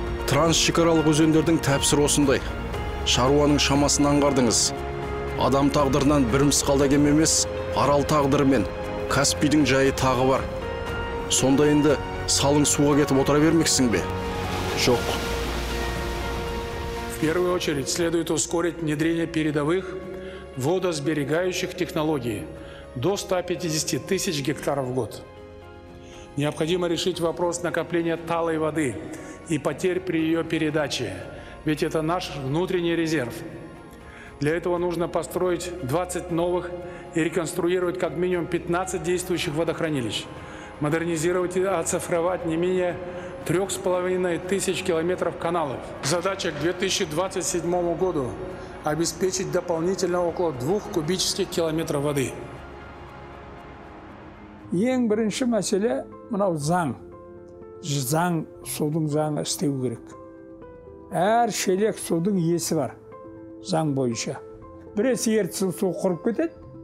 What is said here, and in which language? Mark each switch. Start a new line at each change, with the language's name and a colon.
Kazakh: Трансшекаралық өзендердің тәпсірі осындай. Шаруаның шамасын аңғардыңыз. Адам тағдырынан бір мысқалда кем емес, Арал тағдыры мен Каспийдің жайы тағы бар. Сонда енді салың суға кетіп отыра бермексің бе? Жоқ.
Russian: В первую очередь следует ускорить внедрение передовых водосберегающих технологий до 150 тысяч гектаров в год. Необходимо решить вопрос накопления талой воды и потерь при ее передаче, ведь это наш внутренний резерв. Для этого нужно построить 20 новых и реконструировать как минимум 15 действующих водохранилищ, модернизировать и оцифровать не менее 3500 километров каналов. Задача к 2027 году обеспечить дополнительно около 2 кубических километров воды.
Kazakh: Ең бірінші мәселе мынау заң. Заң, судың заңы істеу керек. Әр шелек судың иесі бар. Заң бойынша. Біресе Ертісін су құрып кетеді.